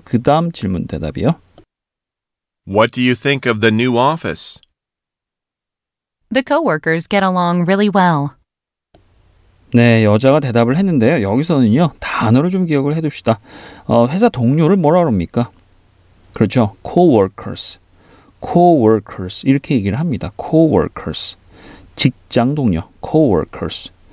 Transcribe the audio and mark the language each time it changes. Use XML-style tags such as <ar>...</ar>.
<ko>그 다음 질문 대답이요.</ko> <en>What do you think of the new office? The coworkers get along really well.</en> <ko>네, 여자가 대답을 했는데요. 여기서는요, 단어를 좀 기억을 해둡시다. 회사 동료를 뭐라 그럽니까? 그렇죠. Co-workers. Co-workers. 이렇게 얘기를 합니다. Co-workers. 직장 동료. Co-workers.</ko>